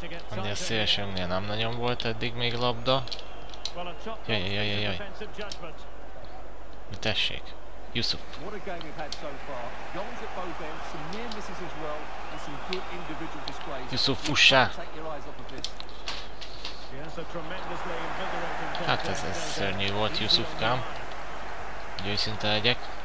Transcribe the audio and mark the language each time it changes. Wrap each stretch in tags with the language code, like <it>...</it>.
<hu>Annyi a szélsőnknél nem nagyon volt eddig még labda. Jaj. Tessék. Yusuf.</hu> <en>What a game we've had so far. Goals at both ends, some near misses as well, and some good individual displays. Yusuf Fusha. Take your eyes off of this. Yes, a tremendously invigorating.</en> <hu>Hát ez szörnyű volt, Yusuf Kam. Őszinte legyek.</hu>